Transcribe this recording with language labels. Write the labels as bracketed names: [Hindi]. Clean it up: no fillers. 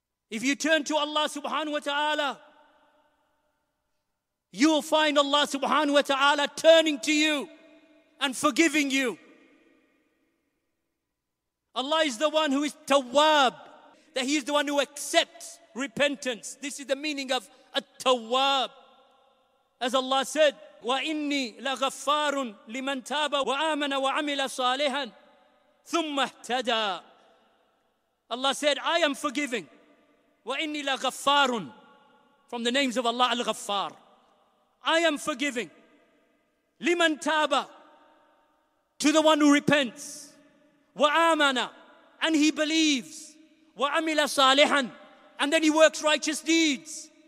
[English] If you turn to Allah subhanahu wa ta'ala, you will find Allah subhanahu wa ta'ala turning to you and forgiving you. Allah is the one who is tawwab, that he is the one who accepts repentance. This is the meaning of at-tawwab. As Allah said, [Arabic] وَإِنِّي لَغَفَّارٌ لِمَنْ تَابَ وَآمَنَ وَعَمِلَ صَالِحًا ثُمَّ اهْتَدَى. [English] Allah said, I am forgiving. [Arabic] وَإِنِّي لَغَفَّارٌ [English] from the names of Allah al-Ghaffar. I am forgiving. [Arabic] لِمَنْ تَابَ [English] to the one who repents. [Arabic] وَآمَنَ [English] and he believes. [Arabic] وَعَمِلَ صَالِحًا [English] and then he works righteous deeds.